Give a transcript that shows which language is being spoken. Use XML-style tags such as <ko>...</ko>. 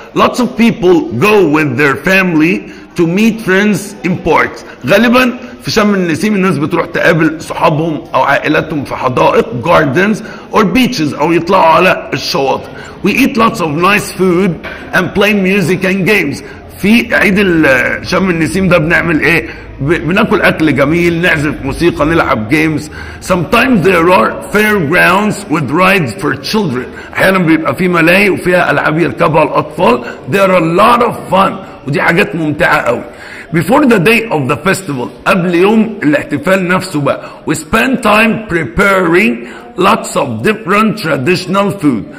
<en>lots of people go with their family to meet friends in parks،</en> <ar>غالبا في شم النسيم الناس بتروح تقابل صحابهم او عائلاتهم في حدائق،</ar> <en>gardens or beaches،</en> <ar>او يطلعوا على الشواطئ.</ar> <en>we eat lots of nice food and play music and games،</en> <ar>في عيد شم النسيم ده بنعمل ايه؟ بناكل اكل جميل، نعزف موسيقى، نلعب جيمز.</ar> <en>Sometimes there are fairgrounds with rides for children.</en> <ar>احيانا بيبقى في ملاهي وفيها العاب يركبها الاطفال.</ar> <en>There are a lot of fun.</en> <ar>ودي حاجات ممتعة قوي.</ar> <en>Before the day of the festival,</en> <ar>قبل يوم الاحتفال نفسه بقى.</ar> <en>We spend time preparing lots of different traditional food.</en>